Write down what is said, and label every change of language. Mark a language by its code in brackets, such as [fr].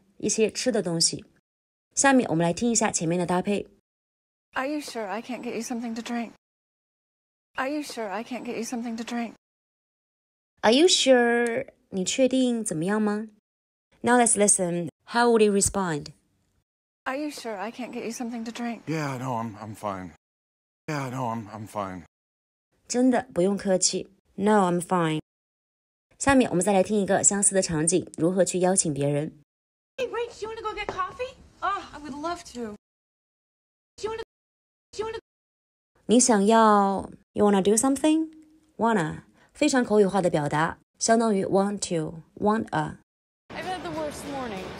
[zh] 一些吃的东西下面我们来听一下前面的搭配 [en] Are you sure I can't get you something to drink? Are you sure I can't get you something to drink? Are you sure? [zh] 你确定怎么样吗 [en] Now let's listen. How would he respond? Are you sure I can't get you something to drink? Yeah, no, I'm fine. Yeah, no, I'm fine. [zh] 真的不用客气 [en] No, I'm fine. [zh] 下面我们再来听一个相似的场景，如何去邀请别人 [en] Hey, wait, do you want to go get coffee? Oh, I would love to. [zh] 你想要 [en] You wanna do something? Wanna [zh] 非常口语化的表达相当于 [en] want to Want a I've had the worst mornings